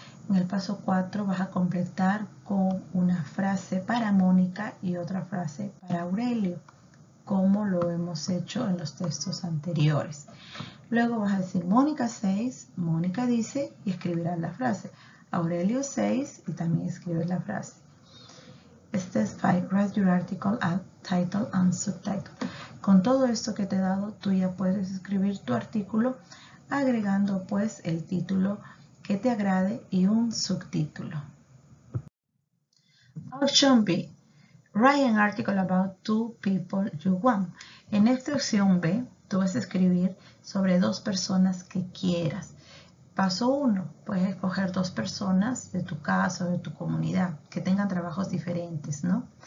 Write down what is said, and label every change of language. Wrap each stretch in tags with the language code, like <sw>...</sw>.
<es>En el paso 4 vas a completar con una frase para Mónica y otra frase para Aurelio, como lo hemos hecho en los textos anteriores. Luego vas a decir Mónica 6, Mónica dice y escribirás la frase. Aurelio 6 y también escribes la frase.</es> <en>Step 5, write your article at title and subtitle.</en> <es>Con todo esto que te he dado, tú ya puedes escribir tu artículo agregando pues el título que te agrade y un subtítulo.</es> <en>Option B. Write an article about two people you want.</en> <es>En esta opción B, tú vas a escribir sobre dos personas que quieras. Paso 1, puedes escoger dos personas de tu casa o de tu comunidad que tengan trabajos diferentes, ¿no?</es>